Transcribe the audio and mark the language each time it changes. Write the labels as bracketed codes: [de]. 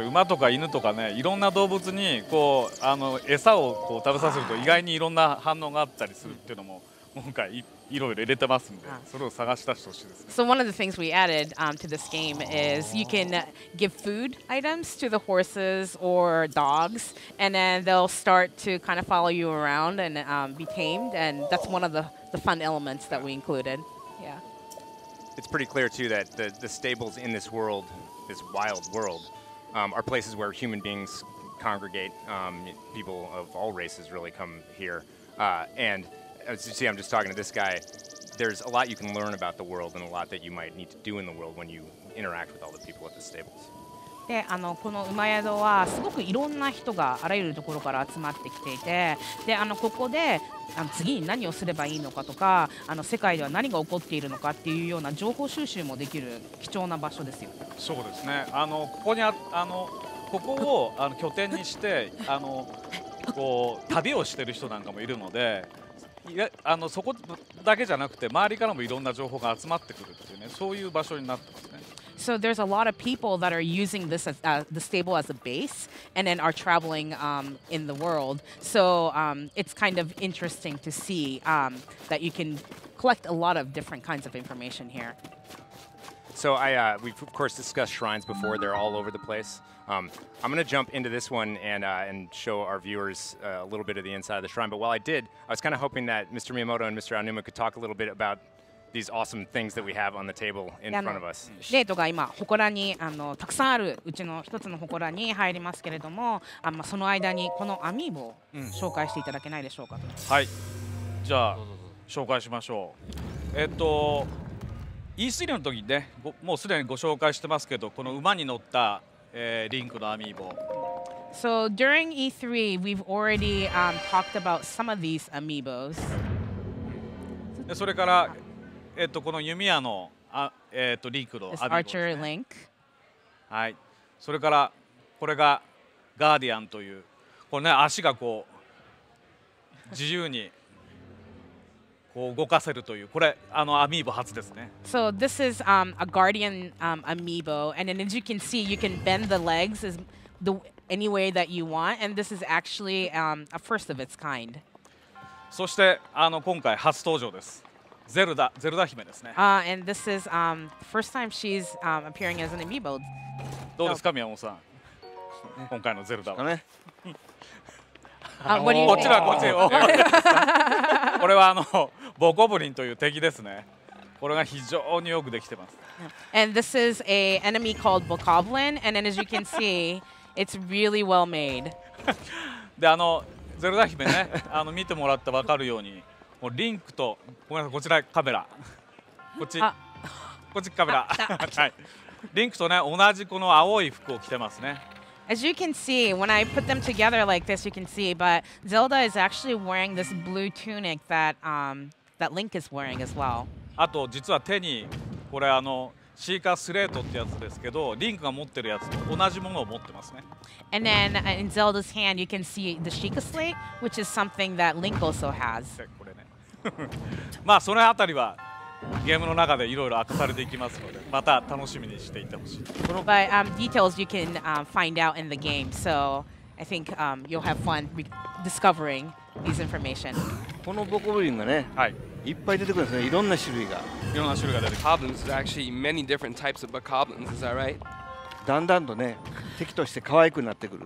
[ja] 馬とか犬とかね、いろんな動物にこう餌をこう食べさせると意外にいろんな反応があったりするっていうのも今回 いろいろ入れてますんで、それを探し出してほしいです、ね。 [en] So one of the things we added to this game is you can give food items to the horses or dogs, and then they'll start to kind of follow you around and be tamed, and that's one of the fun elements that we included. Yeah. It's pretty clear too that the stables in this world. This wild world are places where human beings congregate. People of all races really come here. And as you see, I'm just talking to this guy. There's a lot you can learn about the world and a lot that you might need to do in the world when you interact with all the people at the stables. [ja] でこの馬宿はすごくいろんな人があらゆるところから集まってきていて、でここで次に何をすればいいのかとか、世界では何が起こっているのかっていうような情報収集もできる貴重な場所ですよ。そうですね。ここにここを拠点にしてこう旅をしている人なんかもいるので、いや、そこだけじゃなくて周りからもいろんな情報が集まってくるっていうね、そういう場所になってますね。 [en] So there's a lot of people that are using this as the stable as a base and then are traveling in the world. So it's kind of interesting to see that you can collect a lot of different kinds of information here. So we've of course discussed shrines before. They're all over the place. I'm going to jump into this one and show our viewers a little bit of the inside of the shrine. But while I did, I was kind of hoping that Mr. Miyamoto and Mr. Aonuma could talk a little bit aboutThese awesome things that we have on the table in front of us. [ja] ネイトが今祠にたくさんあるうちの一つの祠に入りますけれども、その間にこのアミーボを紹介していただけないでしょうか。はい。じゃあ紹介しましょう。E3 の時にね、もうすでにご紹介してますけど、この馬に乗った、リンクのアミーボ。 [en] So during E3, we've already talked about some of these amiibos. [ja] でそれから。この弓矢のリンクのアミーボですね。Link. はい。それからこれがガーディアンという、これね足がこう自由にこう動かせるという、これアミーボ初ですね。 [en] So this is a guardian amiibo, and then as you can see, you can bend the legs as the any way that you want, and this is actually a first of its kind. [ja] そして今回初登場です。ゼルダ姫ですね。 [en] And this is first time she's appearing as an amiibo. [ja] どうですか、宮本さん。今回のゼルダは。こっちだ、こっち。これはボコブリンという敵ですね。これが非常によくできてます。 [en] And this is an enemy called Bokoblin, and then as you can see, it's really well made. [ja] で、ゼルダ姫ね、見てもらって分かるように。もうリンクとごめんなさいこちらカメラこっちこっちカメラ。はい。リンクとね、同じこの青い服を着てますね。 [en] As you can see, when I put them together like this, you can see, but Zelda is actually wearing this blue tunic that, that Link is wearing as well. [ja] あと、実は手に、これあの、シーカースレートってやつですけど、リンクが持ってるやつと同じものを持ってますね。 [en] And then in Zelda's hand, you can see the Sheikah Slate, which is something that Link also has. [ja] これね。まあ、そのあたりは、ゲームの中でいろいろ明かされていきますので、また楽しみにしていてほしい。 [en] But details you can find out in the game, so I think you'll have fun discovering these information. [ja] このボコブリンがね、はい、いっぱい出てくるんですね。いろんな種類が。いろんな種類が出てくる。 [en] Goblins is actually many different types of goblins, is that right? [ja] だんだんとね、敵として可愛くなってくる。